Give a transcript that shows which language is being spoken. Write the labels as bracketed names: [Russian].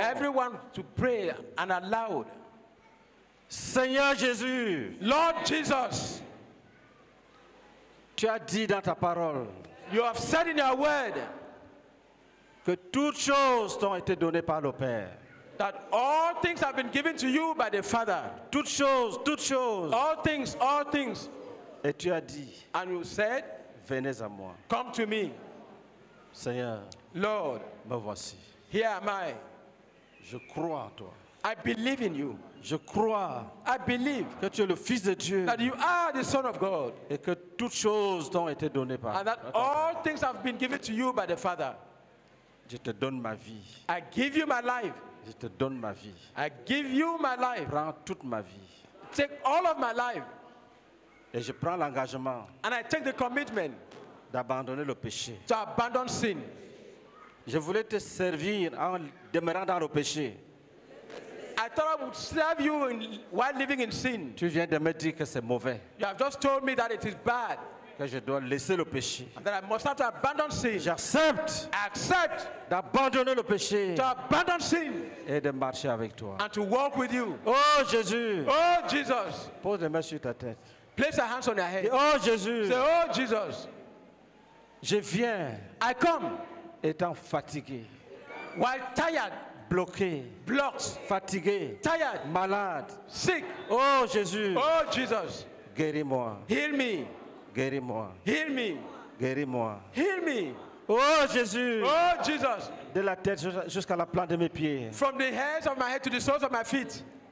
[English] Everyone to pray and aloud. [French] Seigneur Jésus. [English] Lord Jesus. [French] Tu as dit dans ta parole, [English] you have said in your word, [French] que toutes choses t'ont été données par le Père. [English] That all things have been given to you by the Father. [French] Toutes choses, toutes choses. [English] All things, all things. [French] Et tu as dit, [English] and you said, [French] venez à moi. [English] Come to me. [French] Seigneur, [English] Lord, [French] me voici. [English] Here am I. [French] Je crois en toi. [English] I believe in you. [French] Je crois. [English] I believe [French] que tu es le Fils de Dieu. [English] That you are the Son of God. [French] Et que toutes choses t'ont été données par. [English] And that all things have been given to you by the Father. [French] Je te donne ma vie. [English] I give you my life. [French] Je te donne ma vie. [English] I give you my life. [French] Prends toute ma vie. [English] Take all of my life. [French] Et je prends l'engagement. [English] And I take the commitment. [French] D'abandonner le péché. [English] To abandon sin. [French] Je voulais te servir en demeurant dans le péché. [English] I thought I would serve you in, while living in sin. [French] Tu viens de me dire que c'est mauvais. [English] You have just told me that it is bad. [French] Que je dois laisser le péché. [English] And that I must have to abandon sin. [French] J'accepte. [English] I accept [French] d'abandonner le péché. [English] To abandon sin. [French] Et de marcher avec toi. [English] And to walk with you. [French] Oh Jésus. [English] Oh Jesus. [French] Pose les mains sur ta tête. [English] Place your hands on your head. [French] Oh Jésus. [English] Say, oh Jesus. [French] Je viens. [English] I come. [French] Étant fatigué. [English] While tired. [French] Bloqué, [English] blocked, [French] fatigué, [English] tired, [French] malade, [English] sick. [French] Oh Jésus, [English] oh Jesus, [French] guéris-moi, [English] heal me, [French] Guéris-moi. [English] Heal me. [French] Guéris-moi. [English] Heal me. [French] Oh Jésus. [English] Oh Jesus. [French] De la tête jusqu'à la plante de mes pieds. [English] From the hairs of my head to the soles of my feet.